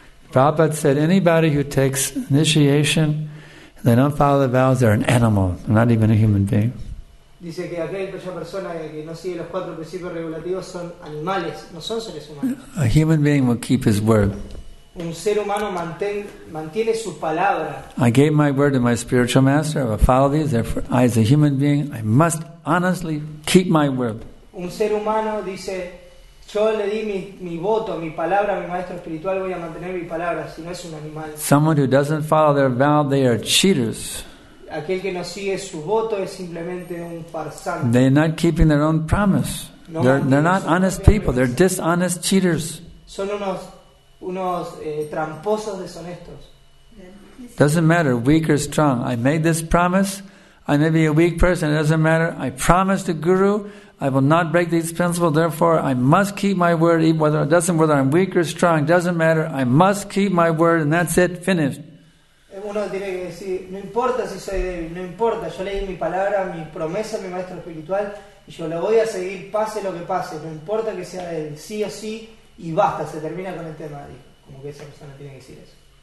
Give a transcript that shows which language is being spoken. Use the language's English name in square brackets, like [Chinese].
[English] Prabhupada said anybody who takes initiation and they don't follow the vows, they're an animal, they're not even a human being. [Spanish] Dice que aquella persona que no sigue los cuatro principios regulativos son animales, no son seres humanos. [English] A human being will keep his word. [Spanish] Un ser humano mantiene su palabra. [English] I gave my word to my spiritual master, I will follow these, therefore I as a human being, I must honestly keep my word. [Spanish] Un ser humano dice, yo le di mi voto, mi palabra, mi maestro espiritual, voy a mantener mi palabra, si no es un animal. [English] Someone who doesn't follow their vow, they are cheaters. [Spanish] Aquel que no sigue su voto es simplemente un farsante. [English] They're not keeping their own promise. [Spanish] No, [English] they're not honest people, they're dishonest cheaters. [Spanish] Son unos tramposos deshonestos. [English] Doesn't matter, weak or strong. I made this promise. I may be a weak person, it doesn't matter. I promised the guru I will not break these principles, therefore I must keep my word, whether I'm weak or strong, doesn't matter. I must keep my word and that's it, finished. [Spanish] Uno tiene que decir, no importa si soy débil, no importa, yo leí mi palabra, mi promesa, mi maestro espiritual, y yo lo voy a seguir, pase lo que pase, no importa que sea débil, sí o sí, y basta, se termina con el tema. Como que esa persona tiene que decir eso.